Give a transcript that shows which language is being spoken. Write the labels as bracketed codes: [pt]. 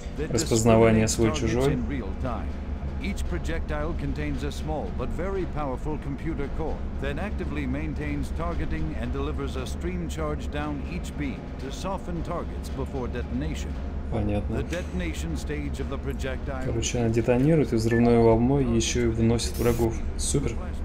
[ru] Распознавание свой-чужой. [en] Each projectile contains a small but very powerful computer core that actively maintains targeting and delivers a stream charge down each beam to soften targets before detonation. [ru] Понятно. [en] The detonation stage of the projectile. [ru] Короче, она детонирует и взрывной волной еще и выносит врагов. Супер.